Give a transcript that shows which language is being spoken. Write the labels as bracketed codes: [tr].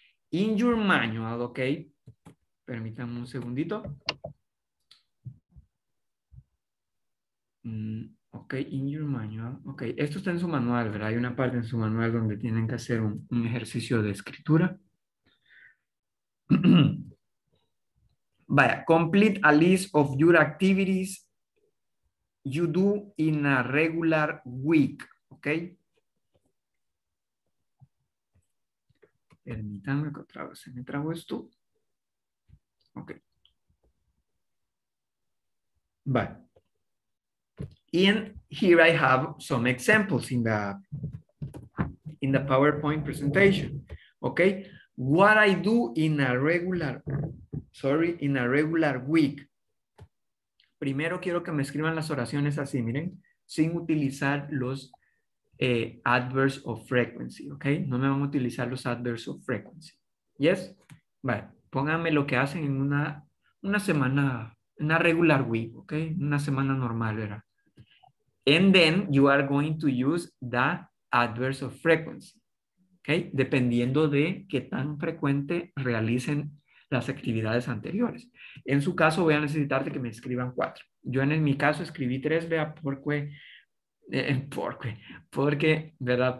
[en] In your manual, ok. [es] Permítanme un segundito. [en] Ok. In your manual. Ok. [es] Esto está en su manual, ¿verdad? Hay una parte en su manual donde tienen que hacer un ejercicio de escritura. Vaya. [en] Complete a list of your activities you do in a regular week. Ok. [es] Permítanme que otra vez se me trajo esto. [en] Ok. [es] Vale. [en] And here I have some examples in the PowerPoint presentation. Ok. What I do in a regular week. [es] Primero quiero que me escriban las oraciones así, miren, sin utilizar los adverbs of frequency, ¿ok? No me van a utilizar los adverbs of frequency. ¿Yes? Vale, pónganme lo que hacen en una semana, una regular week, ¿ok? Una semana normal, ¿verdad? [en] And then you are going to use the adverbs of frequency, ¿ok? [es] Dependiendo de qué tan frecuente realicen las actividades anteriores. En su caso, voy a necesitar que me escriban 4. Yo en mi caso escribí 3, vea, porque, ¿verdad?